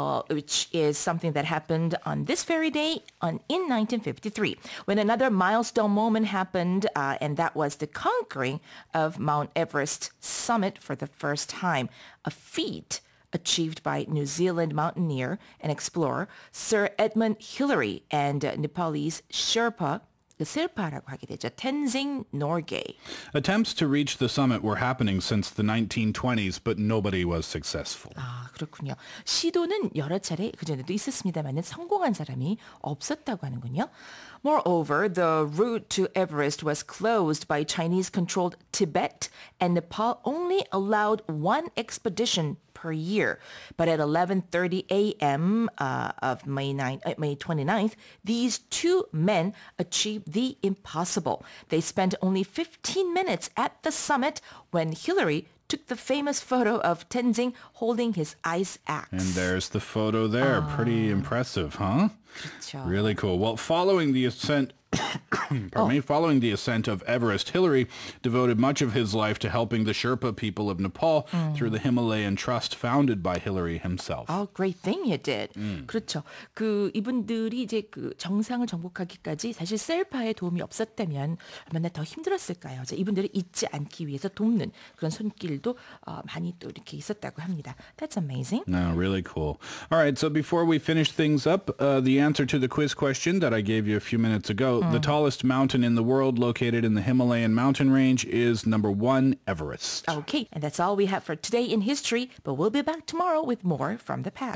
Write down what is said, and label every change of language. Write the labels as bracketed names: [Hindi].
[English] Which is something that happened on this very day in 1953, when another milestone moment happened, and that was the conquering of Mount Everest summit for the first time, a feat achieved by New Zealand mountaineer and explorer Sir Edmund Hillary and Nepalese Sherpa [Korean] 셀파라고 하게 되죠. Tenzing Norgay. [English] Attempts to reach the summit were happening since the 1920s, but nobody was successful. [Korean] 아, 그렇군요. 시도는 여러 차례 그전에도 있었습니다만은 성공한 사람이 없었다고 하는군요. [English] Moreover, the route to Everest was closed by Chinese-controlled Tibet, and Nepal only allowed one expedition per year. But at 11:30 a.m. Of May 29th, these two men achieved the impossible. They spent only 15 minutes at the summit when Hillary took the famous photo of Tenzing holding his ice axe. And there's the photo there. Oh. Pretty impressive, huh? [Korean] 그렇죠. [English] Really cool. Well, following the ascent, following the ascent of Everest, Hillary devoted much of his life to helping the Sherpa people of Nepal through the Himalayan Trust founded by Hillary himself. Oh, great thing you did. [Korean] 그렇죠. 그 이분들이 이제 그 정상을 정복하기까지 사실 셀파의 도움이 없었다면 얼마나 더 힘들었을까요? 이분들을 잊지 않기 위해서 돕는 그런 손길도 많이 또 이렇게 있었다고 합니다. [English] That's amazing. No, really cool. All right, so before we finish things up, the answer to the quiz question that I gave you a few minutes ago. The tallest mountain in the world located in the Himalayan mountain range is number one, Everest. Okay, and that's all we have for today in history, but we'll be back tomorrow with more from the past.